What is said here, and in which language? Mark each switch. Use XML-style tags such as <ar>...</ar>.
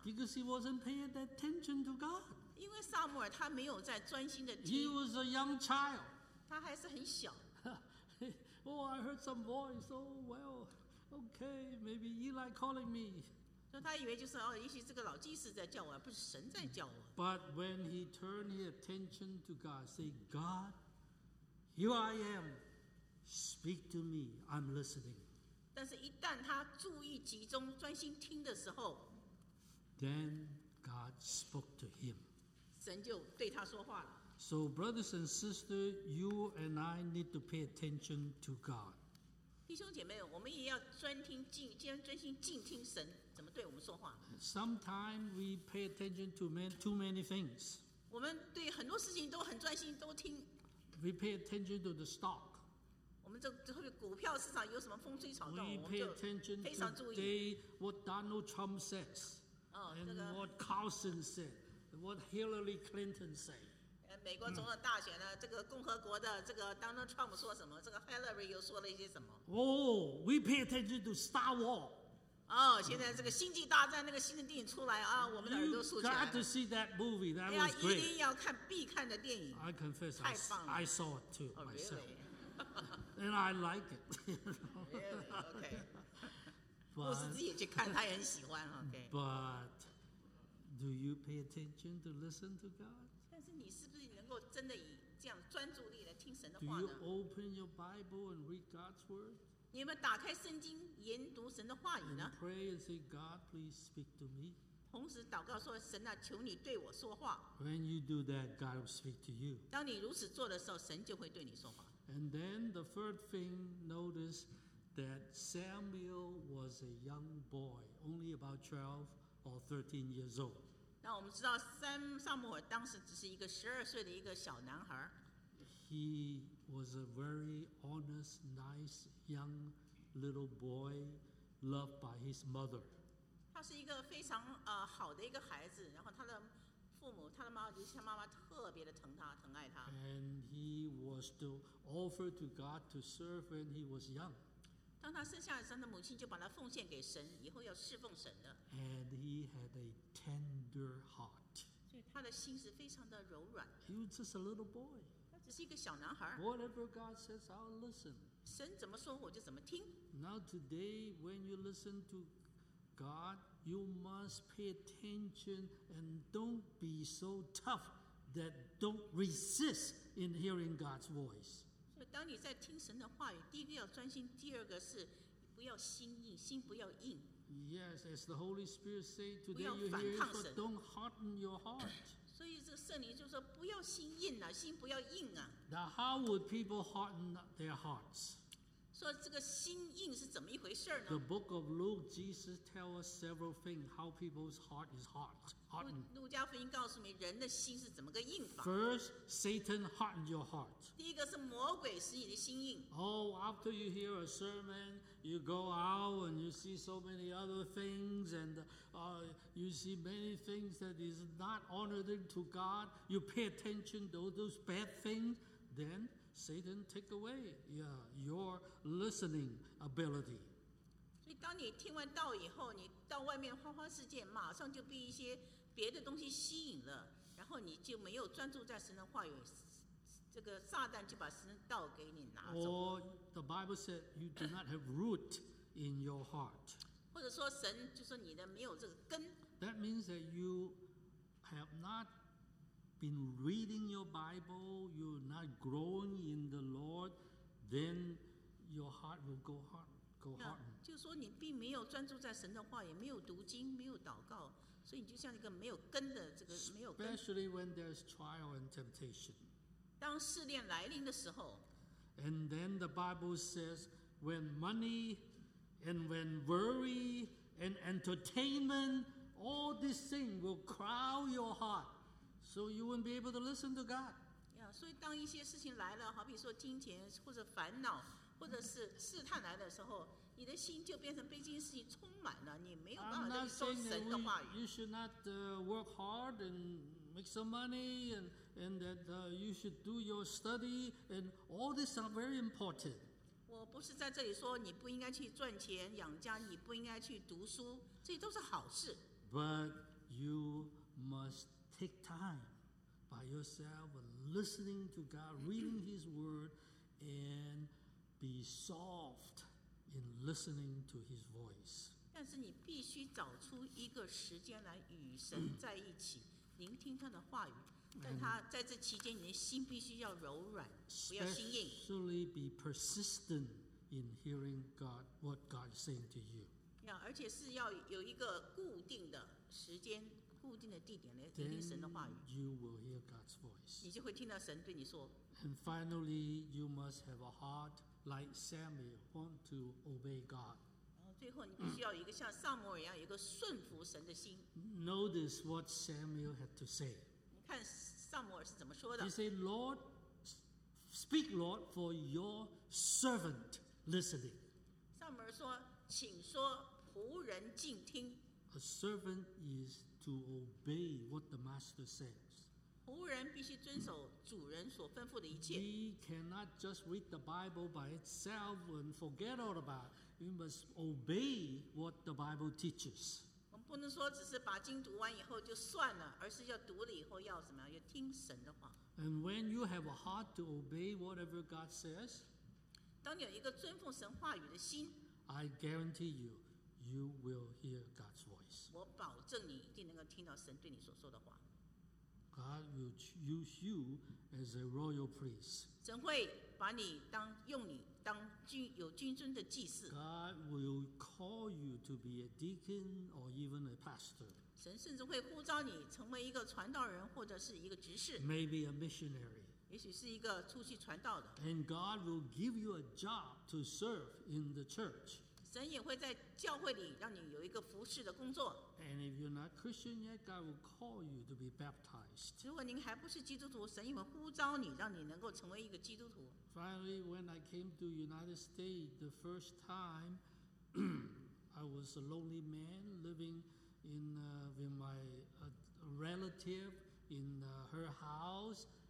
<en>Because he wasn't paying attention to God.</en> <zh>因为撒母耳他没有在专心的听。</zh> <en>He was a young child.</en> <zh>他还是很小。</zh> <en>Oh, I heard some voice. Oh, well, okay, maybe Eli calling me.</en> <zh>所以他以为就是哦，也许这个老祭司在叫我，不是神在叫我。</zh> <en>But when he turned his attention to God, say, God, here I am. Speak to me. I'm listening.</en> <zh>但是，一旦他注意集中、专心听的时候</zh> <en>，Then God spoke to him.</en> <zh>神就对他说话了。</zh> <en>So, brothers and sisters, you and I need to pay attention to God.</en> <zh>弟兄姐妹，我们也要专听静，既然专心静听神怎么对我们说话。</zh> <en>Sometimes we pay attention to too many things.</en> <zh>我们对很多事情都很专心，都听。</zh> <en>We pay attention to the stock.</en> <zh>我们这特别股票市场有什么风吹草动，</zh> <en>we pay attention</en> <zh>我们就非常注意。</zh> <en>Today, what Donald Trump says, and what Carlson said. What Hillary Clinton say?</en> <zh>美国总统大选呢？这个共和国的这个 Donald Trump 说什么？这个 Hillary 又说了一些什么</zh> <en>？Oh, we pay attention to Star Wars.</en> <zh>哦，现在这个星际大战那个新的电影出来啊，我们的耳朵竖起来。</zh> <en>You got to see that movie. That was great.</en> <zh>哎呀，一定要看必看的电影。</zh> <en>I confess, I saw it too myself. Really? And I like it. Really? Okay.</en> <zh>牧师自己去看，他也很喜欢。</zh> <en>Okay. But. Do you pay attention to listen to God?</en> <zh>但是你是不是能够真的以这样专注力来听神的话呢？</zh> <en>Do you open your Bible and read God's word?</en> <zh>你有没有打开圣经研读神的话语呢？</zh> <en>And pray and say, God, please speak to me.</en> <zh>同时祷告说，神啊，求你对我说话。</zh> <en>When you do that, God will speak to you.</en> <zh>当你如此做的时候，神就会对你说话。</zh> <en>And then the third thing, notice that Samuel was a young boy, only about 12. Or 13 years old.</en> <zh>那我们知道撒母耳当时只是一个十二岁的一个小男孩。</zh> <en>He was a very honest, nice young little boy, loved by his mother.</en> <zh>他是一个非常好的一个孩子，然后他的父母，他的妈妈，尤其他妈妈特别的疼他，疼爱他。</zh> <en>And he was to offer to God to serve when he was young.</en> <zh>当他生下来，他的母亲就把他奉献给神，以后要侍奉神的。</zh> <en>And he had a tender heart.</en> <zh>所以他的心是非常的柔软的。</zh> <en>He was just a little boy.</en> <zh>他只是一个小男孩。</zh> <en>Whatever God says, I'll listen.</en> <zh>神怎么说我就怎么听。</zh> <en>Now today, when you listen to God, you must pay attention and don't be so tough that don't resist in hearing God's voice.</en> <zh>当你在听神的话语，第一个要专心，第二个是不要心硬，心不要硬。</zh> <en>Yes, as the Holy Spirit said, today you hear it, but don't harden your heart.</en> <zh>所以这个圣灵就说不要心硬啊，心不要硬啊。</zh> <en>Now, how would people harden their hearts?</en> <zh>说这个心硬是怎么一回事呢？</zh> <en>The Book of Luke, Jesus tells us several things how people's heart is hard, hardened.</en> <zh>路加福音告诉你人的心是怎么个硬法。</zh> <en>First, Satan hardened your heart.</en> <zh>一个是魔鬼使你的心硬。</zh> <en>Oh, after you hear a sermon, you go out and you see so many other things, and you see many things that is not honoring to God. You pay attention to those bad things, then Satan take away your listening ability.</en> <zh>所以当你听完道以后，你到外面花花世界，马上就被一些别的东西吸引了，然后你就没有专注在神的话语。这个撒旦就把神道给你拿走。</zh> <en>Or the Bible said you do not have root in your heart.</en> <zh>或者说神就说你的没有这个根。</zh> <en>That means that you have not been reading your Bible, you're not growing in the Lord, then your heart will go hard, go hard.</en> <zh>就说你并没有专注在神的话，也没有读经，没有祷告，所以你就像一个没有根的这个没有根。</zh> <en>Especially when there's trial and temptation.</en> <zh>当试炼来临的时候。</zh> <en>And then the Bible says, when money and when worry and entertainment, all these things will crowd your heart, so you won't be able to listen to God. Yeah,</en> <zh>所以当一些事情来了，好比说金钱或者烦恼或者是试探来的时候，你的心就变成被这些事情充满了，你没有办法再说神的话语。</zh> <en>You should not work hard and make some money, and that you should do your study, and all these are very important.</en> <zh>我不是在这里说你不应该去赚钱养家，你不应该去读书，这都是好事。</zh> <en>But you must take time by yourself, listening to God, reading His word, and be soft in listening to His voice.</en> <zh>但是你必须找出一个时间来与神在一起，聆听他的话语。但他在这期间，你的心必须要柔软，不要心硬。</zh> <en>Especially be persistent in hearing God, what God is saying to you.</en> <zh>而且是要有一个固定的时间、固定的地点来听神的话语。</zh> <en>Then you will hear God's voice.</en> <zh>你就会听到神对你说。</zh> <en>And finally, you must have a heart like Samuel, want to obey God.</en> <zh>最后，你必须要有一个像撒母耳一样，有一个顺服神的心。</zh> <en>Notice what Samuel had to say.</en> <zh>你看撒母耳是怎么说的</zh> <en>？He said, "Lord, speak, Lord, for your servant listening."</en> <zh>撒母耳说。请说，仆人静听。</zh> <en>A servant is to obey what the master says.</en> <zh>仆人必须遵守主人所吩咐的一切。</zh> <en>We cannot just read the Bible by itself and forget all about it. We must obey what the Bible teaches.</en> <zh>我们不能说只是把经读完以后就算了，而是要读了以后要怎么样？要听神的话。</zh> <en>And when you have a heart to obey whatever God says,</en> <zh>当你有一个遵奉神话语的心。</zh> <en>I guarantee you, you will hear God's voice.</en> <zh>我保证你一定能够听到神对你所说的话。</zh> <en>God will use you as a royal priest.</en> <zh>神会把你当用你当君有君尊的祭司。</zh> <en>God will call you to be a deacon or even a pastor.</en> <zh>神甚至会呼召你成为一个传道人或者是一个执事。</zh> <en>Maybe a missionary.</en> <zh>也许是一个出去传道的。</zh> <en>And God will give you a job to serve in the church.</en> <zh>神也会在教会里让你有一个服事的工作。</zh> <en>And if you're not Christian yet, God will call you to be baptized.</en> <zh>如果您还不是基督徒，神也会呼召你，让你能够成为一个基督徒。</zh> <en>Finally, when I came to United States the first time, I was a lonely man living in with my relative in her house.</en>